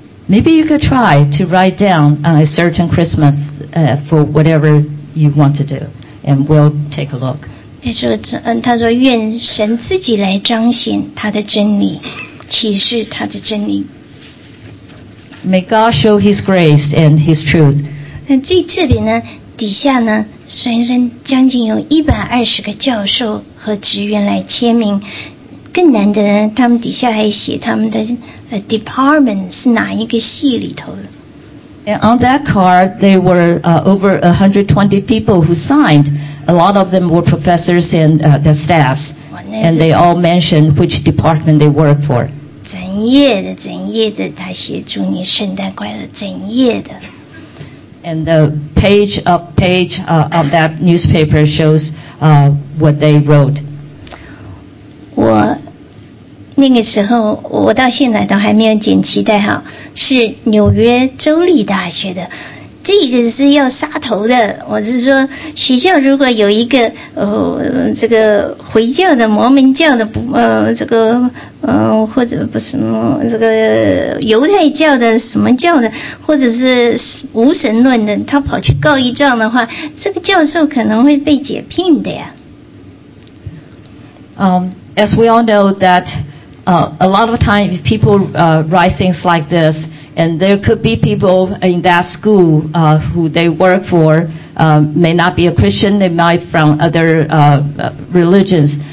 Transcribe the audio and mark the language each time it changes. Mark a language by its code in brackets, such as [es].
[en] Maybe you could try to write down on a certain Christmas for whatever you want to do, and we'll take a look. [zh] 他说愿神自己来彰显他的真理，启示他的真理。 [en] May God show His grace and His truth. [zh] 最特别呢，底下呢，虽然将近有120个教授和职员来签名。更难的人，他们底下还写他们的department 是哪一个系里头的。 [en] And on that card, there were over 120 people who signed. A lot of them were professors and their staffs. And they all mentioned which department they work for. [zh] 整页的，整页的，他写祝你圣诞快乐，整页的。 [en] And the page of that newspaper shows what they wrote. [zh] 我那个时候，我到现在都还没有剪脐带哈，是纽约州立大学的这个是要杀头的，我是说学校如果有一个这个回教的摩门教的这个或者不是这个犹太教的什么教的，或者是无神论的，他跑去告一状的话，这个教授可能会被解聘的呀。 [en] As we all know that a lot of time if people write things like thisAnd there could be people in that school who they work for may not be a Christian, they might be from other religions.